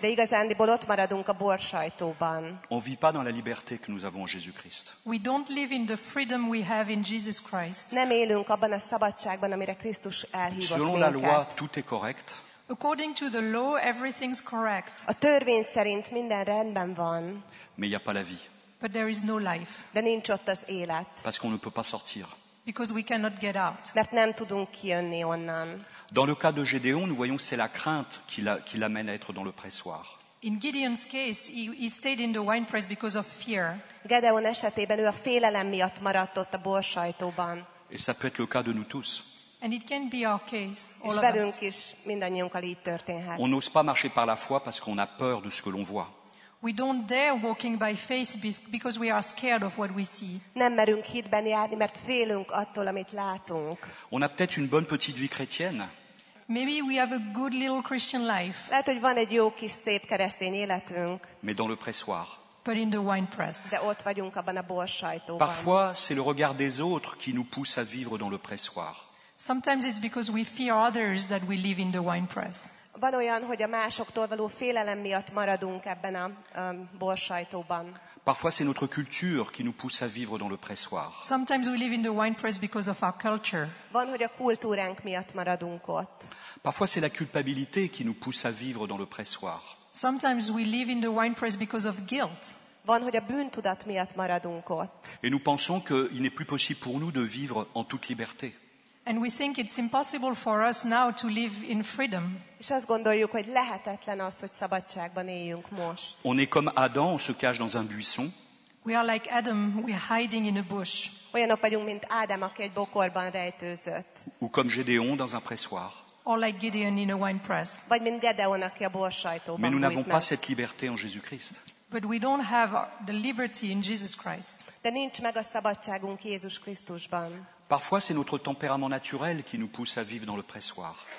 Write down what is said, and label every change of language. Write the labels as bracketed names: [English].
[Hungarian] De igazándiból ott maradunk a borsajtóban. [French] On vit pas dans la liberté que nous avons en Jésus-Christ. [English] We don't live in the freedom we have in Jesus Christ. [Hungarian] Nem élünk abban a szabadságban, amire Krisztus elhívott minket. [French] Selon la loi, tout est correct. [English] According to the law, everything's correct. [Hungarian] A törvény szerint minden rendben van. [French] Mais il y a pas la vie. [English] But there is no life. [Hungarian] De nincs ott az élet. [French] Parce qu'on ne peut pas sortir. [English] Because we cannot get out. [Hungarian] Mert nem tudunk kijönni onnan. [French] Dans le cas de Gédéon, nous voyons que c'est la crainte qui l'amène à être dans le pressoir. [English] In Gideon's case, he stayed in the wine press because of fear. [Hungarian] Gédéon esetében ő a félelem miatt maradt ott a borsajtóban. [French] Et ça peut être le cas de nous tous. [English] And it can be our case, all [Hungarian] és [English] of [Hungarian] velünk [English] us. [Hungarian] Is mindannyiunkkal így történhet. [French] On n'ose pas marcher par la foi parce qu'on a peur de ce que l'on voit. [English] We don't dare walking by faith because we are scared of what we see. [Hungarian] Nem merünk hitben járni, mert félünk attól, amit látunk. [French] On a peut-être une bonne petite vie chrétienne. [English] Maybe we have a good little Christian life. [Hungarian] Lehet, hogy van egy jó kis szép keresztény életünk. [French] Mais dans le pressoir. [English] But in the wine press. [Hungarian] De ott vagyunk abban a borsajtóban. [French] Parfois, c'est le regard des autres qui nous pousse à vivre dans le pressoir. [English] Sometimes it's because we fear others that we live in the wine press. [Hungarian] Van olyan, hogy a másoktól való félelem miatt maradunk ebben a borsajtóban. [French] Parfois c'est notre culture qui nous pousse à vivre dans le pressoir. [English] Sometimes we live in the wine press because of our culture. [Hungarian] Van, hogy a kultúránk miatt maradunk ott. [French] Parfois c'est la culpabilité qui nous pousse à vivre dans le pressoir. [English] Sometimes we live in the wine press because of guilt. [Hungarian] Van, hogy a bűntudat miatt maradunk ott. [French] Et nous pensons qu'il n'est plus possible pour nous de vivre en toute liberté. [English] And we think it's impossible for us now to live in freedom. [Hungarian] És azt gondoljuk, hogy lehetetlen az, hogy szabadságban éljünk most. [French] On est comme Adam, on se cache dans un buisson. [English] We are like Adam, we are hiding in a bush. [Hungarian] Olyanok vagyunk, mint Ádám, aki egy bokorban rejtőzött. [French] Ou comme Gédéon dans un pressoir. [English] Or like Gideon in a wine press. [Hungarian] Vagy mint Gédéon, aki a borsajtóban [French] Mais nous n'avons pas cette liberté en Jésus-Christ. [English] But we don't have the liberty in Jesus Christ. [Hungarian] De nincs meg a szabadságunk Jézus Krisztusban. [French] Parfois, c'est notre tempérament naturel qui nous pousse à vivre dans le pressoir.